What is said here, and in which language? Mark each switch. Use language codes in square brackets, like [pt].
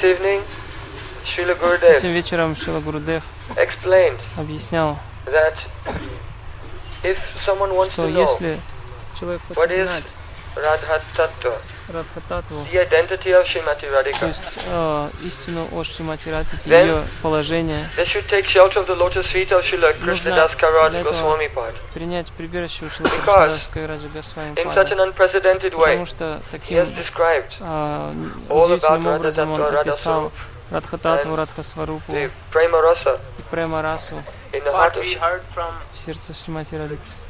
[ru] Этим вечером Шрила Гурудев объяснял, что если человек хочет знать, [en] Радха-таттва, the identity of Shrimati Radhika. [ru] То есть истину о Шримати Радхике, ее положение. [en] They should take shelter of the lotus feet of Shrila Krishnadas Kaviraj Goswami Pad. [ru] Принять прибежище у Шрила Кришнадас Кавираджа Госвами Пада. [en] In such an unprecedented way, [ru] потому что таким, [en] he has described all about Radha-таттва, [ru] Радха-таттву, Радха-сварупу, Према-раса, и Према-расу в сердце Шримати Радхики.